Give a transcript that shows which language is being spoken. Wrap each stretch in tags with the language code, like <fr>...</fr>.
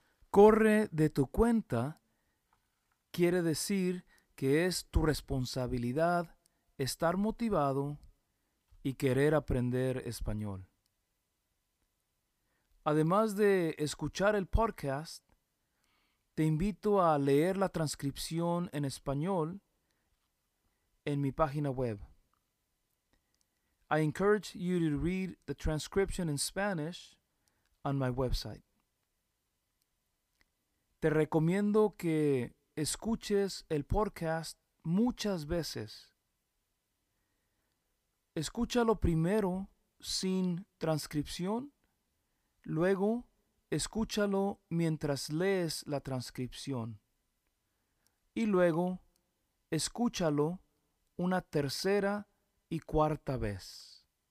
<es>Corre de tu cuenta quiere decir que es tu responsabilidad estar motivado y querer aprender español. Además de escuchar el podcast, te invito a leer la transcripción en español en mi página web.</es> <en>I encourage you to read the transcription in Spanish on my website.</en> <es>Te recomiendo que escuches el podcast muchas veces. Escúchalo primero sin transcripción, luego escúchalo mientras lees la transcripción, y luego escúchalo una tercera y cuarta vez.</es>